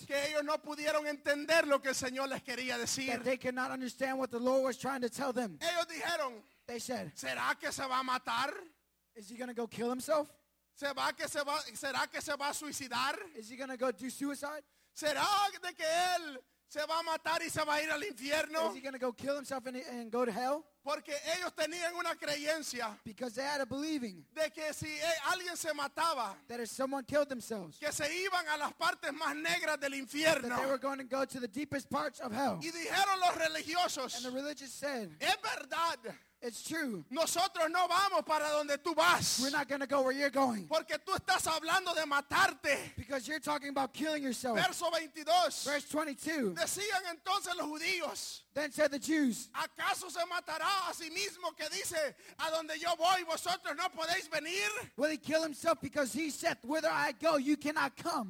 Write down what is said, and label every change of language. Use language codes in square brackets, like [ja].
[es] Que ellos no pudieron entender lo que el Señor les quería decir. [en] That they could not understand what the Lord was trying to tell them. [es] Ellos dijeron. [en] They said. [es] ¿Será que se va a matar? [en] Is he going to go kill himself? [es] ¿Será que se va a suicidar? [en] Is he going to go do suicide? [es] ¿Será de que él se va a matar y se va a ir al infierno? [en] Is he going to go kill himself and go to hell? [es] Porque ellos tenían una creencia. [en] Because they had a believing. [es] De que si alguien se mataba. [en] That if someone killed themselves. [es] Que se iban a las partes más negras del infierno. [en] That they were going to go to the deepest parts of hell. [es] Y dijeron los religiosos. [en] And the religious said. [es] Es verdad. [en] It's true. [es] Nosotros no vamos para donde tú vas. [en] We're not going to go where you're going. [es] Porque tú estás hablando de matarte. [en] Because you're talking about killing yourself. [es] Verso 22. [en] Verse 22. [es] Decían entonces los judíos. [en] Then said the Jews. [es] ¿Acaso se matará a sí mismo que dice, a donde yo voy, vosotros no podéis venir? [en] Will he kill himself because he said, whither I go, you cannot come?